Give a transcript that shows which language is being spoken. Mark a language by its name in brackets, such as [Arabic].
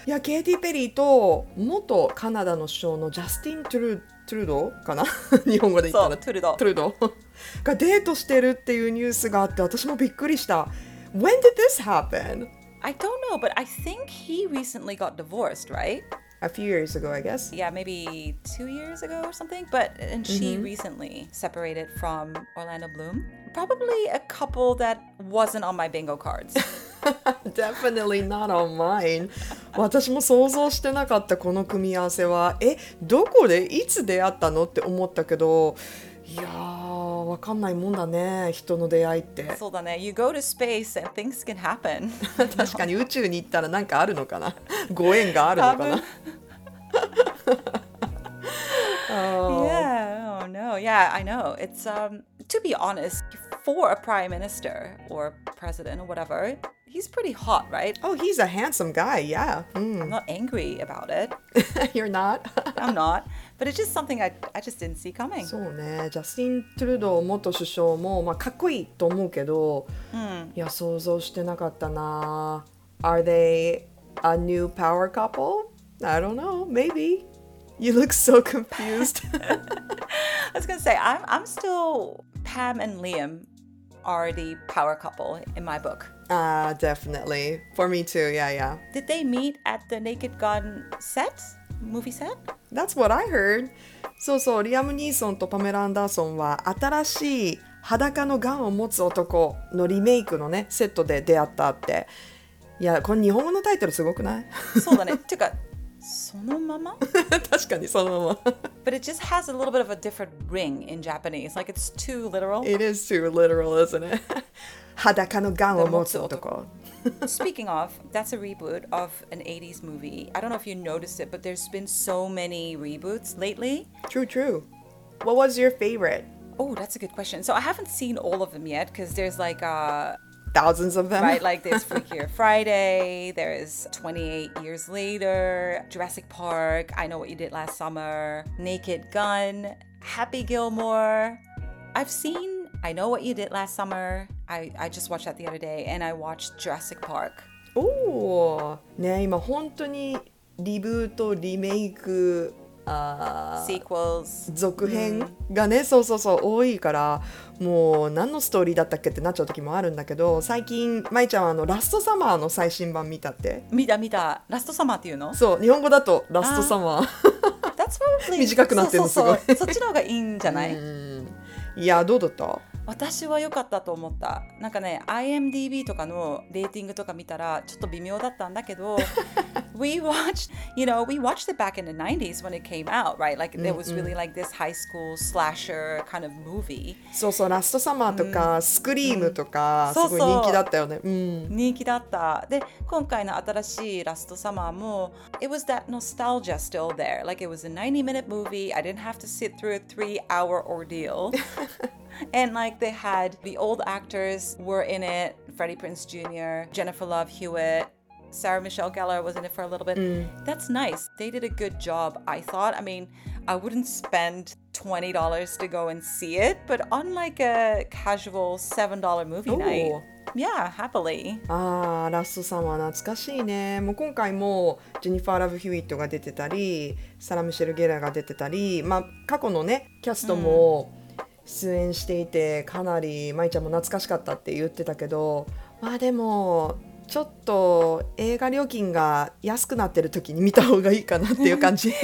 [Japanese] いや、ケイティ・ペリーと元カナダの首相のジャスティン・トゥルドーかな日本語で言ったら。そう、トゥルドー。トゥルドーがデートしてるっていうニュースがあって、私もびっくりした。 [English] When did this happen? I don't know, but I think he recently got divorced, right? A few years ago, I guess. Yeah, maybe 2 years ago or something. But and she recently separated from Orlando Bloom. Probably a couple that wasn't on my bingo cards. Definitely not on mine. [Japanese] 私も想像してなかったこの組み合わせは、え、どこでいつ出会ったのって思ったけど、いやー、わかんないもんだね、人の出会いって。そうだね。 [English] You go to space and things can happen. [Japanese] 確かに宇宙に行ったらなんかあるのかな、ご縁があるのかな。 [English] Yeah, I know. It's, to be honest, for a prime minister or president or whatever, he's pretty hot, right? Oh, he's a handsome guy, yeah. I'm not angry about it. You're not? I'm not. But it's just something I just didn't see coming. [Japanese] そうね。ジャスティン・トゥルドー元首相も、まあ、かっこいいと思うけど、いや、想像してなかったな。 [English] Are they a new power couple? I don't know. Maybe. You look so confused. I was going to say, I'm still Pam and Liam are the power couple in my book. Definitely. For me too, yeah. Did they meet at the Naked Gun set? Movie set? That's what I heard. [Japanese] そうそう、リアム・ニーソンとパメラ・アンダーソンは新しい裸のガンを持つ男のリメイクのね、セットで出会ったって。いや、この日本語のタイトルすごくない? そうだね。てか、そのまま? 確かにそのまま。 [English] But it just has a little bit of a different ring in Japanese. Like it's too literal. It is too literal, isn't it? [Japanese] 裸のガンを持つ男。 [English] Speaking of, that's a reboot of an 80s movie. I don't know if you noticed it, but there's been so many reboots lately. True, true. What was your favorite? Oh, that's a good question. So I haven't seen all of them yet because there's like a... thousands of them. Right, like there's Freak Here Friday, there's 28 Years Later, Jurassic Park, I Know What You Did Last Summer, Naked Gun, Happy Gilmore. I've seen I Know What You Did Last Summer. I just watched that the other day, and I watched Jurassic Park. [Japanese] Oh,ね、今本当にリブートリメイク。 [English] Sequels. [Japanese] 続編がね、そうそうそう、多いから、もう何のストーリーだったっけってなっちゃう時もあるんだけど、最近、まいちゃんはあのラストサマーの最新版見たって。見た見た。ラストサマーっていうの？そう、日本語だとラストサマー。 [English] That's probably [Japanese] 短くなってるのすごい。そっちの方がいいんじゃない？いや、どうだった？私は良かったと思った。なんかね、IMDB とかのレーティングとか見たら、ちょっと微妙だったんだけど、 [English] We watched it back in the 90s when it came out, right? Like, there was really like this high school slasher kind of movie. [Japanese] そうそう、ラストサマーとか、スクリームとか、すごい人気だったよね。人気だった。で、今回の新しいラストサマーも、 [English] It was that nostalgia still there. Like, it was a 90-minute movie. I didn't have to sit through a 3-hour ordeal. And like, they had the old actors were in it. Freddie Prinze Jr., Jennifer Love Hewitt,Sarah Michelle Gellar was in it for a little bit. That's nice. They did a good job, I thought. I mean, I wouldn't spend $20 to go and see it, but on like a casual $7 movie night. Yeah, happily. [Japanese] Ah, Last Summer, 懐かしいね。もう今回もジェニファー・ラブ・ヒューイットが出てたり、サラ・ミシェル・ゲラーが出てたり、まあ過去のね、キャストも出演していて、かなりマイちゃんも懐かしかったって言ってたけど、まあでも、ちょっと映画料金が安くなってる時に見た方がいいかなっていう感じ